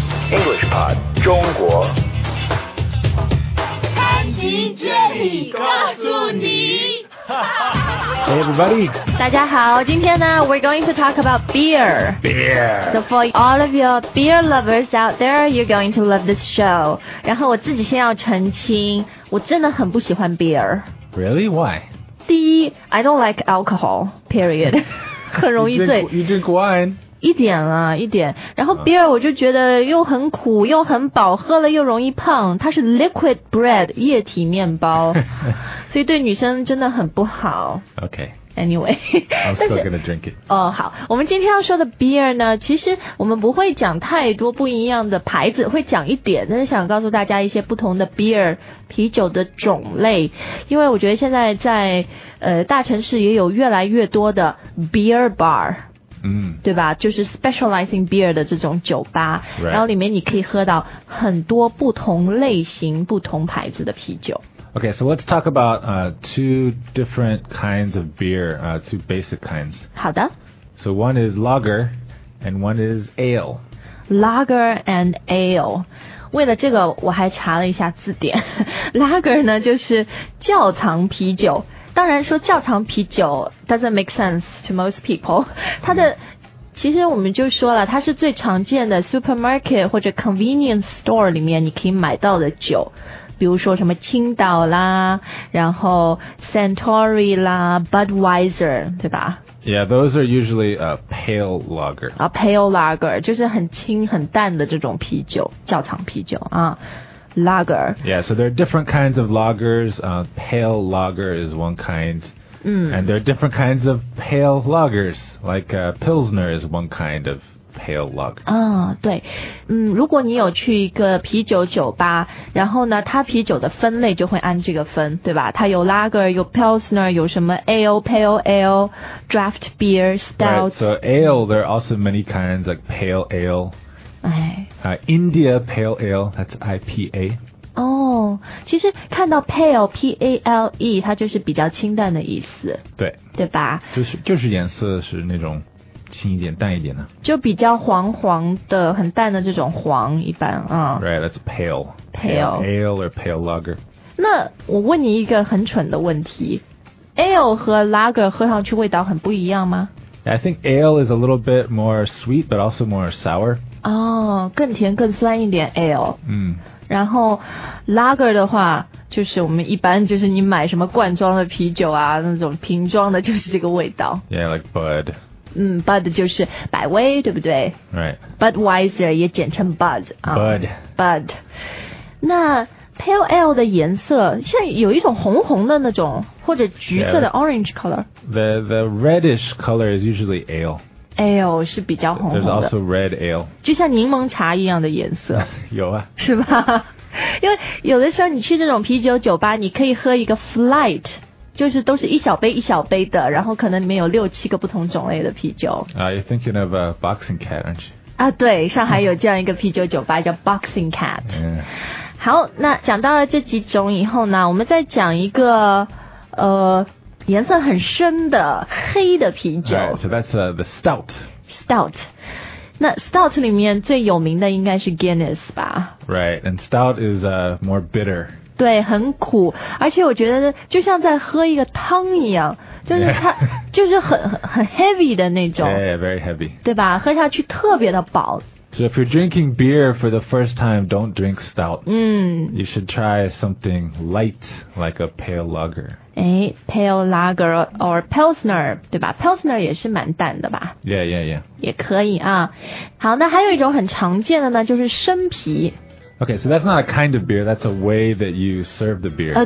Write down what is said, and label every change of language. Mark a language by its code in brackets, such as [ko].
[zh] English Pod 中国。潘吉这里告诉你。 [en] Hey everybody. [zh] 大家好，今天呢 [en] we're going to talk about beer. Beer. So for all of your beer lovers out there, you're going to love this show. [zh] 然后我自己先要澄清，我真的很不喜欢 beer. [en] Really? Why? [zh] 第一 [en] I don't like alcohol, period. [zh] 很容易醉。 [en] You drink wine? [zh] 一点啊一点，然后 beer 我就觉得又很苦又很饱，喝了又容易胖，它是 [en] liquid bread [zh] 液体面包，所以对女生真的很不好。 [en] OK anyway I'm still gonna drink it. [zh] 哦好，我们今天要说的 beer 呢，其实我们不会讲太多不一样的牌子，会讲一点，但是想告诉大家一些不同的 beer 啤酒的种类，因为我觉得现在在大城市也有越来越多的 beer bar，对吧，就是 [en] specializing beer [zh] 的这种酒吧、 [en] right. [zh] 然后里面你可以喝到很多不同类型不同牌子的啤酒。 [en] OK, so let's talk about two different kinds of beer, two basic kinds. [zh] 好的。 [en] So one is lager and one is ale. Lager and ale. [zh] 为了这个我还查了一下字典。Lager 呢就是窖藏啤酒，当然说窖藏啤酒 [en] doesn't make sense to most people. [zh] 它的、其实我们就说了，它是最常见的 supermarket 或者 convenience store 里面你可以买到的酒，比如说什么青岛啦，然后 Suntory 啦， Budweiser 对吧？ [en] Yeah, those are usually a pale lager. [zh] A pale lager 就是很轻很淡的这种啤酒，窖藏啤酒啊。 [en] Lager. Yeah, so there are different kinds of lagers. Pale lager is one kind. And there are different kinds of pale lagers. Like Pilsner is one kind of pale lager. [zh] 对。如果你有去一个啤酒酒吧，然后呢它啤酒的分类就会按这个分，对吧？它有 lager, 有 Pilsner, 有什么 ale, pale ale, draft beer, stout. [en] Right, so ale, there are also many kinds, like pale ale. India Pale Ale, that's IPA. [zh] 哦、其实看到 Pale, P-A-L-E, 它就是比较清淡的意思。对。对吧？就是颜色是那种清一点淡一点的。就比较黄黄的很淡的这种黄一般。 [en] Right, that's pale. Pale. Ale or pale lager. [zh] 那我问你一个很蠢的问题。Ale 和 lager 喝上去味道很不一样吗？ [en] I think ale is a little bit more sweet, but also more sour. [zh] 哦、更甜更酸一点 ale、然后 lager 的话就是我们一般就是你买什么罐装的啤酒啊，那种瓶装的就是这个味道。 [en] Yeah, like Bud. [zh] Bud 就是百威，对不对？ [en] Right. [zh] Budweiser 也简称 Bud、 [en] Bud. Bud. [zh] 那 pale ale 的颜色像有一种红红的那种，或者橘色的 orange color。 [en] The reddish color is usually ale [zh] Ale 是比较红红的。 [en] There's also red ale. [zh] 就像柠檬茶一样的颜色。有啊。是吧？因为有的时候你去这种啤酒酒吧，你可以喝一个 flight， 就是都是一小杯一小杯的，然后可能里面有六七个不同种类的啤酒。 [en] You're thinking of a boxing cat, aren't you? [zh] 啊，对，上海有这样一个啤酒酒吧叫 boxing cat。好，那讲到了这几种以后呢，我们再讲一个颜色很深的黑的啤酒。 [en] Right, so that's the stout. Stout. [zh] 那 stout 里面最有名的应该是 Guinness 吧。 [en] Right, and stout is more bitter. [zh] 对，很苦，而且我觉得就像在喝一个汤一样，就是它、 [en] yeah. [zh] 就是很 heavy 的那种。 [en] Yeah, yeah, very heavy. [zh] 对吧？喝下去特别的饱。 [en] So if you're drinking beer for the first time, don't drink stout. You should try something light, like a pale lager. Pale lager or Pilsner, 对吧？ [zh] Pilsner 也是蛮淡的吧？ [en] Yeah, yeah, yeah. [zh] 也可以啊。好，那还有一种很常见的呢，就是生啤。 [en] Okay, so that's not a kind of beer, that's a way that you serve the beer.